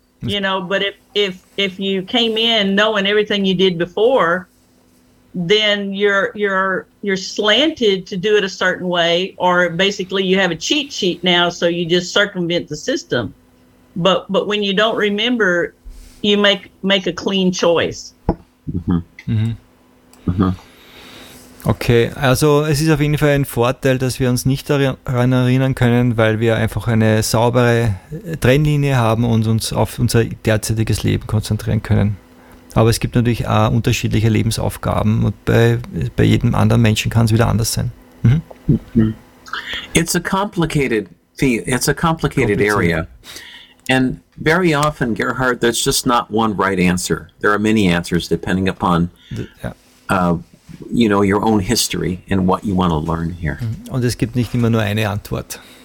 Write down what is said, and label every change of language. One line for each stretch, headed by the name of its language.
English: You know, but if you came in knowing everything you did before, then you're slanted to do it a certain way, or basically you have a cheat sheet now, so you just circumvent the system. But when you don't remember, you make a clean choice.
German: Okay, also es ist auf jeden Fall ein Vorteil, dass wir uns nicht daran erinnern können, weil wir einfach eine saubere Trennlinie haben und uns auf unser derzeitiges Leben konzentrieren können. Aber es gibt natürlich auch unterschiedliche Lebensaufgaben, und bei jedem anderen Menschen kann es wieder anders sein.
English: It's a complicated field. It's a complicated area. And very often, Gerhard, there's just not one right answer. There are many answers depending upon you know, your own history and what you want to learn here.
German: Und es gibt nicht immer nur eine Antwort.